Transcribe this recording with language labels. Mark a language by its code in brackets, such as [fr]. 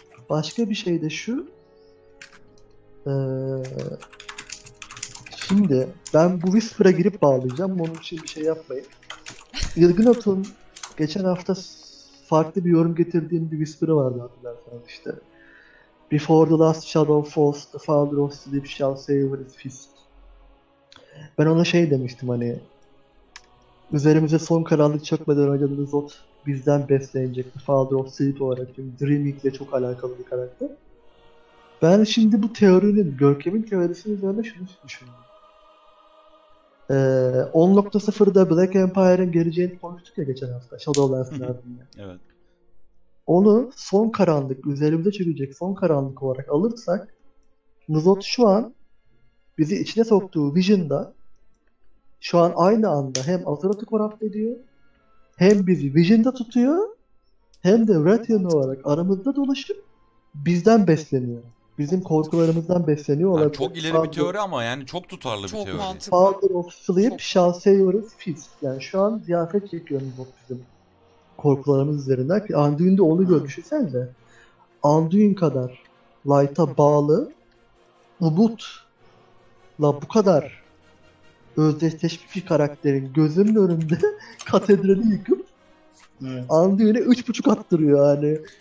[tr] Başka bir şey de şu. Şimdi ben bu Whisper'a girip bağlayacağım. Onun için bir şey yapmayın. Yılgınot'un geçen hafta farklı bir yorum getirdiğim bir Whisper'ı vardı hatırlarsanız işte. [en] Before the last shadow falls, the father of sleep shall savor his feast. [tr] Ben ona şey demiştim hani. Üzerimize son karanlık çökmeden önce de Zot bizden beslenecek. [en] The father of sleep [tr] olarak yani Dreaming ile çok alakalı bir karakter. Ben şimdi bu teorinin, Görkem'in teorisini üzerine şunu düşündüm. 10.0'da Black Empire'ın geleceğini konuştuk ya geçen hafta Shadowlands'ın ardında. Evet. Onu son karanlık, üzerimize çökecek son karanlık olarak alırsak Mizzot şu an bizi içine soktuğu Vision'da şu an aynı anda hem Azeroth'u korrupt ediyor, hem bizi Vision'da tutuyor, hem de Rathian olarak aramızda dolaşıp bizden besleniyor. Bizim korkularımızdan besleniyor olabilir. Yani çok ileri bir teori ama yani çok tutarlı bir teori. Mantıklı. [en] Father of Sleep shall savor his feast. [tr] Yani şu an ziyafet çekiyoruz bizim korkularımız üzerinden. Ki Anduin'de onu görmüşsen de Anduin kadar Light'a bağlı Ubud'la bu kadar özdeşleşmiş bir karakterin gözünün önünde katedrali yıkıp Anduin'e 3.5 attırıyor yani.